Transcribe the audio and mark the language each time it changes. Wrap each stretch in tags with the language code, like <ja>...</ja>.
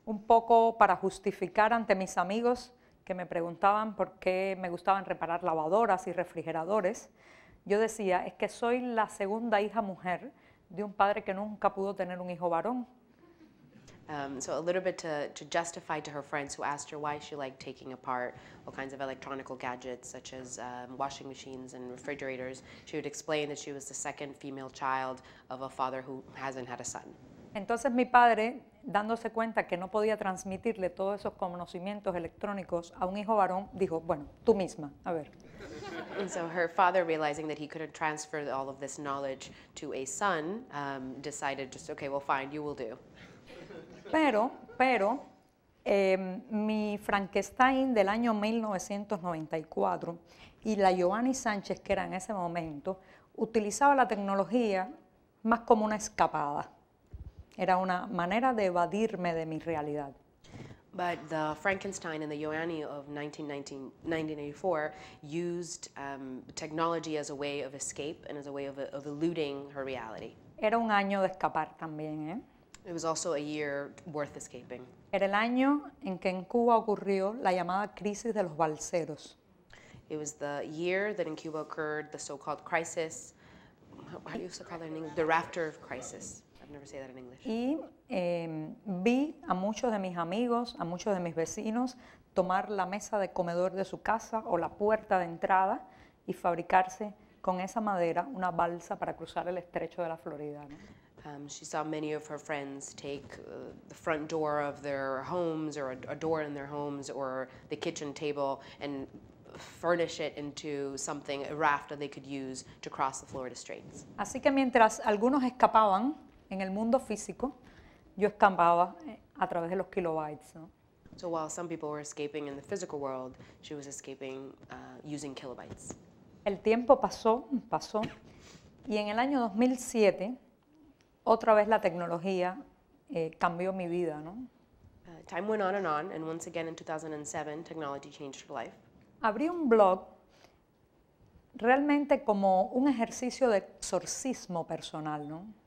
<es>Un poco para justificar ante mis amigos que me preguntaban por qué me gustaban reparar lavadoras y refrigeradores, yo decía, es que soy la segunda hija mujer de un padre que nunca pudo tener un hijo varón.</es> <en>So a little bit to justify to her friends who asked her why she liked taking apart all kinds of electronic gadgets such as washing machines and refrigerators, she would explain that she was the second female child of a father who hasn't had a son.</en> <es>Entonces mi padre, dándose cuenta que no podía transmitirle todos esos conocimientos electrónicos a un hijo varón, dijo, bueno, tú misma, a ver.</es> <en>And so her father, realizing that he couldn't transfer all of this knowledge to a son, decided just, okay, well, fine, you will do.</en> <es>Pero, mi Frankenstein del año 1994 y la Giovanni Sánchez, que era en ese momento, utilizaba la tecnología más como una escapada. Era una manera de evadirme de mi realidad.</es> <en>But the Frankenstein and the Giovanni of 1994 used technology as a way of escape and as a way of eluding her reality.</en> <es>Era un año de escapar también, ¿eh?</es> <en>It was also a year worth escaping.</en> <es>Era el año en que en Cuba ocurrió la llamada crisis de los balseros.</es> <en>It was the year that in Cuba occurred the so-called crisis. How do you also call that in English? The rafter of crisis. I've never said that in English.</en> <es>Y vi a muchos de mis amigos, a muchos de mis vecinos, tomar la mesa de comedor de su casa o la puerta de entrada y fabricarse con esa madera una balsa para cruzar el estrecho de la Florida, ¿no?</es> <en>She saw many of her friends take the front door of their homes or a door in their homes or the kitchen table and furnish it into something, a raft that they could use to cross the Florida Straits.</en> <es>Así que mientras algunos escapaban en el mundo físico, yo escapaba a través de los kilobytes, ¿no?</es> <en>So while some people were escaping in the physical world, she was escaping using kilobytes.</en> <es>El tiempo pasó, y en el año 2007, otra vez la tecnología cambió mi vida, ¿no?</es> <en>Time went on and on, and once again in 2007, technology changed her life.</en> <es>Abrí un blog realmente como un ejercicio de exorcismo personal, ¿no?</es>